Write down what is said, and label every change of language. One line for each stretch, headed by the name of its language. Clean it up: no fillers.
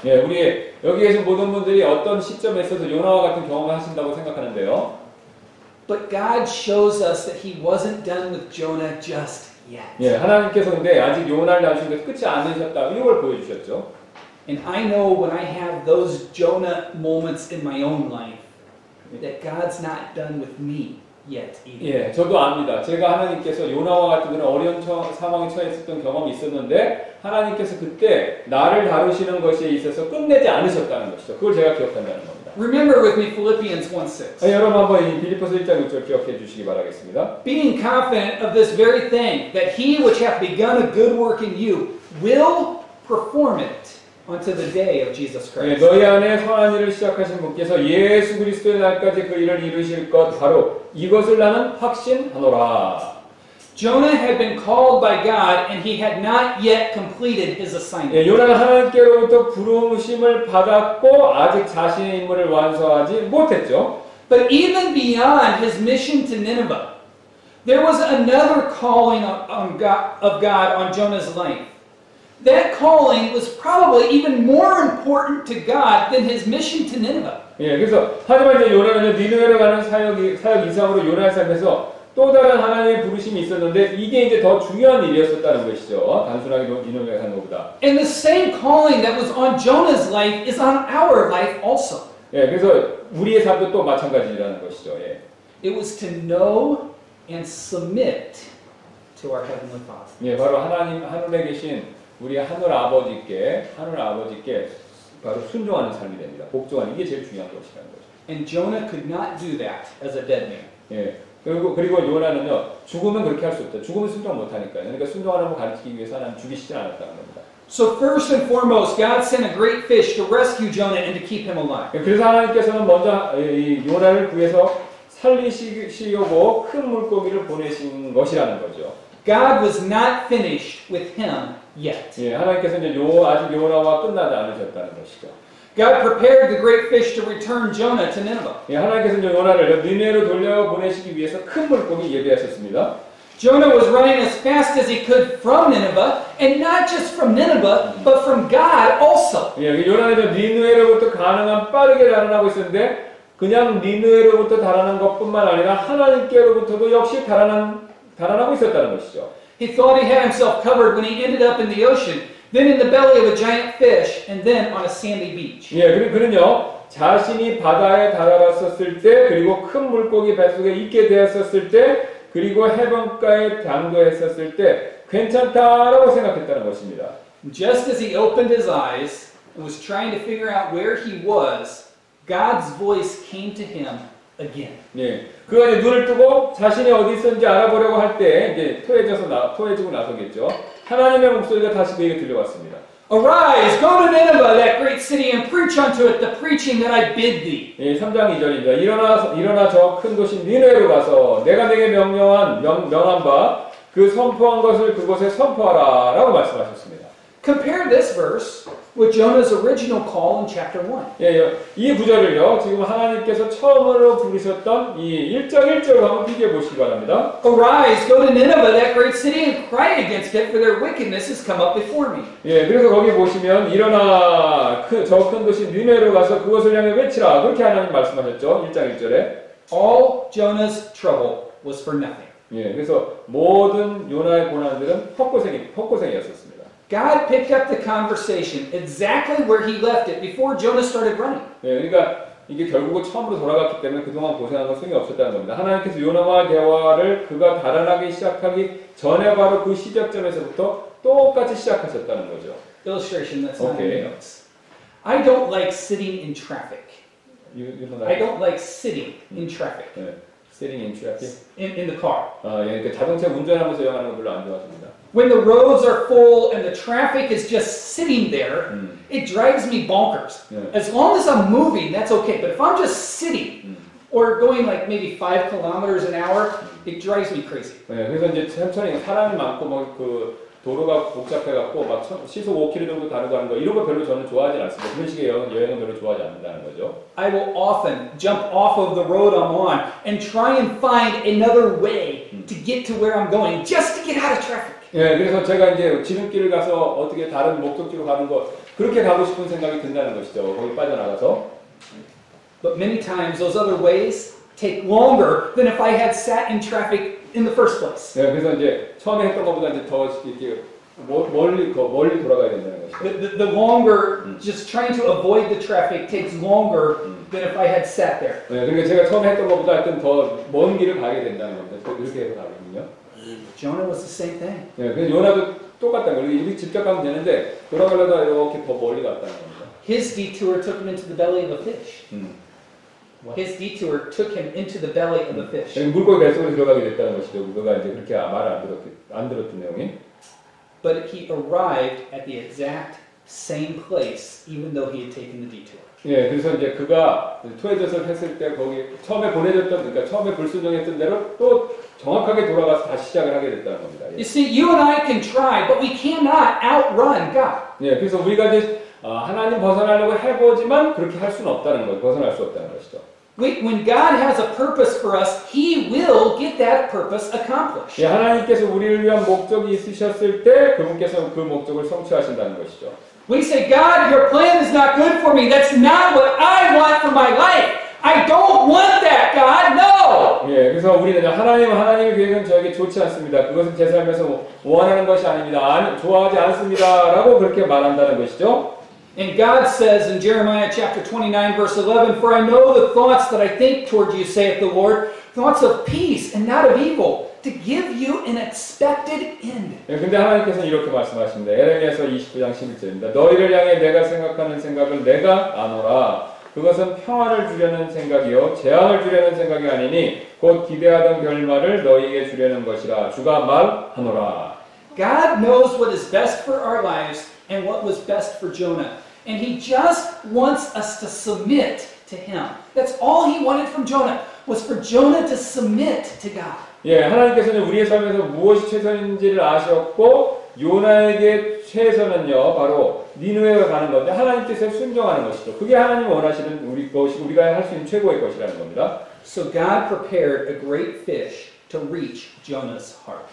Korean: 예, 우리 여기 계신 모든 분들이 어떤 시점에서도 요나와 같은 경험을 하신다고 생각하는데요.
English: But God shows us that he wasn't done with Jonah just yet.
Korean: 예, 하나님께서 근데 아직 요나를 다루신 게 끝이 아니셨다. 이걸 보여주셨죠.
English: And I know when I have those Jonah moments in my own life that God's not done with me. Yet,
Korean: 예, 저도 압니다. 제가 하나님께서 요나와 같은 그런 어려운 상황에 처해 있었던 경험이 있었는데 하나님께서 그때 나를 다루시는 것에 있어서 끝내지 않으셨다는 것이죠. 그걸 제가 기억한다는 겁니다.
English: Remember with me Philippians 1:6.
Korean: 예, 여러분 한번 이 빌립보서 1장 6절 기억해 주시기 바라겠습니다.
English: Being confident of this very thing, that he which hath begun a good work in you will perform it. Unto the day of Jesus Christ.
Korean: 예, 너희 안에 선한 일을 시작하신 분께서 예수 그리스도의 날까지 그 일을 이루실 것 바로 이것을 나는 확신하노라.
English: Jonah had been called by God and he had not yet completed his assignment.
Korean: 예, 요나는 하나님께로부터 부르심을 받았고 아직 자신의 임무를 완수하지 못했죠.
English: But even beyond his mission to Nineveh, there was another calling of God on Jonah's life. That calling was probably even more important to God than his mission to Nineveh.
Korean: 예, 그래서 하지만 이제 요나는 니느웨로 가는 사역 이상으로 요나의 삶에서 또 다른 하나님의 부르심이 있었는데 이게 이제 더 중요한 일이었었다는 것이죠. 단순하게 니느웨로 가는 것보다.
English: And the same calling that was on Jonah's life is on our life also.
Korean: 예, 그래서 우리의 삶도 또 마찬가지라는 것이죠. 예.
English: It was to know and submit to our heavenly Father.
Korean: 예, 바로 하나님 하늘에 계신 우리 하늘 아버지께 하늘 아버지께 바로 순종하는 삶이 됩니다. 복종하는 이게 제일 중요한 것이라는 거죠.
English: And Jonah could not do that as a dead man.
Korean: 예. 그리고 요나는요. 죽으면 그렇게 할 수 없다. 죽으면 순종 못 하니까요. 그러니까 순종하는 걸 가르치기 위해서 하나님 죽이시지 않았다는 겁니다.
English: So first and foremost, God sent a great fish to rescue Jonah and to keep him alive.
Korean: 그래서 하나님께서는 먼저 이 요나를 구해서 살리시려고 큰 물고기를 보내신 것이라는 거죠.
English: God was not finished with him yet.
Korean: 예, 하나님께서 이제 요 아직 요나와 끝나지 않으셨다는 것이죠.
English: God prepared the great fish to return Jonah to Nineveh.
Korean: 예, 하나님께서 이제 요나를 니네로 돌려보내시기 위해서 큰 물고기 예비하셨습니다.
English: Jonah was running as fast as he could from Nineveh, and not just from Nineveh, but from God also.
Korean: 예, 요나는 니느웨로부터 가능한 빠르게 달아나고 있었는데, 그냥 니느웨로부터 달아난 것뿐만 아니라 하나님께로부터도 역시 달아나고 있었다는 것이죠.
English: He thought he had himself covered when he ended up in the ocean, then in the belly of a giant fish, and then on a sandy beach.
Korean: 예, 그는요 자신이 바다에 달아났었을 때, 그리고 큰 물고기 배 속에 있게 되었었을 때. 그리고 해변가에 잠도했었을 때 괜찮다라고 생각했다는 것입니다.
English: Just as he opened his eyes and was trying to figure out where he was, God's voice came to him again.
Korean: 네, 그가 이제 눈을 뜨고 자신이 어디 있었는지 알아보려고 할 때 이제 토해지고 나서겠죠. 하나님의 목소리가 다시 그에게 들려왔습니다.
English: Arise, go to Nineveh, that great city, and preach unto it the preaching that I bid thee.
Korean: 예, 3장 2절입니다. 일어나 저 큰 도시 니느웨로 가서 내가 네게 명한 바 그 선포한 것을 그곳에 선포하라 라고 말씀하셨습니다.
English: Compare this verse with Jonah's original call in chapter 1.
Korean: 예, 이 구절을요, 지금 하나님께서 처음으로 부르셨던 이 1장 1절과 한번 비교해 보시기 바랍니다.
English: Arise, go to Nineveh, that great city, and cry against it, for their wickedness has come up before me.
Korean: 예, 그래서 거기 보시면, 일어나, 저 큰 도시 니느웨로 가서 그것을 향해 외치라. 그렇게 하나님 말씀하셨죠, 1장 1절에.
English: All Jonah's trouble was for nothing.
Korean: 예, 그래서 모든 요나의 고난들은 헛고생이었습니다.
English: God picked up the conversation exactly where he left it before Jonah started running.
Korean: 예, 그러니까 이게 결국은 처음으로 돌아갔기 때문에 그동안 고생한 건 소용이 없었다는 겁니다. 하나님께서 요나와 대화를 그가 달아나기 시작하기 전에 바로 그 시작점에서부터 똑같이 시작하셨다는 거죠.
English: Illustration that's not in notes. I don't like sitting in traffic. You don't like. I don't like sitting in traffic. 예, sitting in traffic. In the car.
Korean: 아, 예, 그러니까 자동차 운전하면서 이용하는 걸 별로 안 좋아합니다.
English: When the roads are full and the traffic is just sitting there, it drives me bonkers. Yeah. As long as I'm moving, that's okay. But if I'm just sitting or going like maybe 5 kilometers an hour, it drives me crazy.
Korean: 네, 그래서 이제 천천히 사람이 많고 막 그 도로가 복잡해 갖고 막 시속 5km 정도 다르고 하는 거 이런 거 별로 저는 좋아하지 않습니다. 그런 식의 여행은 별로 좋아하지 않는다는 거죠.
English: I will often jump off of the road I'm on and try and find another way to get to where I'm going just to get out of traffic.
Korean: 예, 그래서 제가 이제 지름길을 가서 어떻게 다른 목적지로 가는 거 그렇게 가고 싶은 생각이 든다는 것이죠. 거기 빠져나가서.
English: But many times those other ways take longer than if I had sat in traffic in the first place.
Korean: 예, 그래서 이제 처음에 했던 것보다 이제 더 이렇게 멀리 돌아가야 된다는 것이죠.
English: The longer just trying to avoid the traffic takes longer than if I had sat there.
Korean: 예, 그러니까 제가 처음에 했던 것보다 하여튼 더 먼 길을 가게 된다는 겁니다. 그렇게 해서 가거든요.
English: Jonah was the same thing.
Korean: 예, 그래서 요나도 똑같다. 우리 직접 가면 되는데 돌아가려다 이렇게 더 멀리 갔다는 겁니다.
English: His detour took him into the belly of a fish. His detour took him into the belly of a fish.
Korean: 예, 물고기 뱃속으로 들어가게 됐다는 것이죠. 그가 이제 그렇게 말 안 들었던 내용이.
English: But he arrived at the exact same place, even though he had taken the detour.
Korean: 예, 그래서 이제 그가 토해져서 했을 때 거기 처음에 보내졌던 그러니까 처음에 불순종했던 대로 또 정확하게 돌아가서 다시 시작을 하게 됐다는 겁니다. 예.
English: You see, you and I can try, but we cannot outrun God.
Korean: 예, 그래서 우리가 이제 하나님 벗어나려고 해보지만 그렇게 할 수는 없다는 것, 벗어날 수 없다는 것이죠.
English: When God has a purpose for us, He will get that purpose accomplished.
Korean: 예, 하나님께서 우리를 위한 목적이 있으셨을 때 그분께서 그 목적을 성취하신다는 것이죠.
English: We say, God, your plan is not good for me. That's not what I want for my life. I don't want that, God. No.
Korean: 예, 그래서 우리는 하나님의 계획은 저에게 좋지 않습니다. 그것은 제 삶에서 원하는 것이 아닙니다. 좋아하지 않습니다라고 그렇게 말한다는 것이죠.
English: And God says in Jeremiah chapter 29 verse 11, For I know the thoughts that I think toward you, saith the Lord, thoughts of peace and not of evil, to give you an expected end.
Korean: 예, 근데 하나님께서 이렇게 말씀하십니다. 예레미야서 29장 11절입니다. 너희를 향해 내가 생각하는 생각을 내가 아노라. 그것은 평안을 주려는 생각이요 재앙을 주려는 생각이 아니니 곧 기대하던 결말을 너희에게 주려는 것이라 주가 말하노라.
English: God knows what is best for our lives and what was best for Jonah, and He just wants us to submit to Him. That's all He wanted from Jonah was for Jonah to submit to God.
Korean: 예, 하나님께서는 우리의 삶에서 무엇이 최선인지를 아셨고 요나에게 최선은요 바로 니느웨가 가는 건데 하나님께서 순종하는 것이죠. 그게 하나님 원하시는 우리 것이 우리가 할 수 있는 최고의 것이라는 겁니다.
English: So God prepared a great fish to reach Jonah's heart.